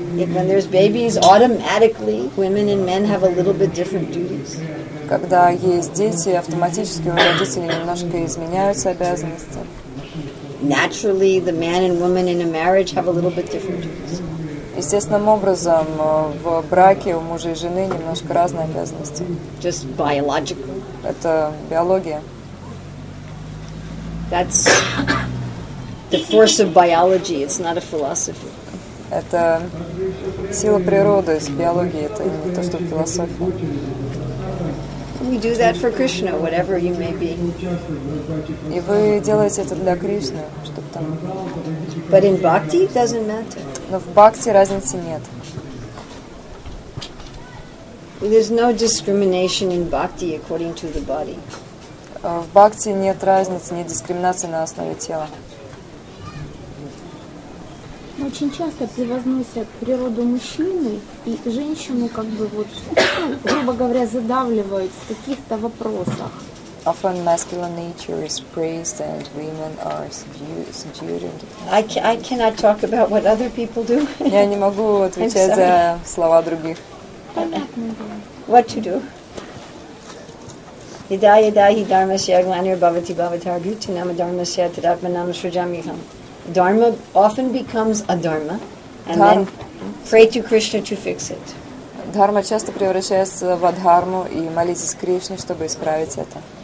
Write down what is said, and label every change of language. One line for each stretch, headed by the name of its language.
English: When there's babies, automatically women and men have a little bit different duties.
Russian: Когда есть дети, автоматически у родителей немножко изменяются обязанности.
English: Naturally, the man and woman in a marriage have a little bit different duties.
Russian: Естественным образом в браке у мужа и жены немножко разные обязанности.
English: Just biological.
Russian: Это биология.
English: That's the force of biology, it's not a philosophy.
Russian: Это сила природы, с биологией, это не то, что философия.
English: We do that for Krishna, whatever you may be.
Russian: И вы делаете это для Кришны, чтобы там.
English: But in bhakti it doesn't matter.
Russian: Но в бхакти разницы нет.
English: There's no discrimination in bhakti according to the body.
Russian: В бхакти нет разницы, нет дискриминации на основе тела. Очень часто превозносят природу мужчины и женщину, как бы вот, грубо говоря, задавливают в каких-то вопросах.
English: Often masculine nature is praised and women are subdued. I cannot talk about what other people do.
Russian: Я не могу отвечать за слова других.
English: What to do?
Sanskrit: Yada yada hi dharmasya glanir bhavati bhavatar bhutinam dharmasya tadatmanam srijamiham.
English: Dharma often becomes a dharma, and then pray to Krishna to fix it.
Russian: Dharma часто превращается в адхарму, и молитесь Кришне, чтобы исправить это.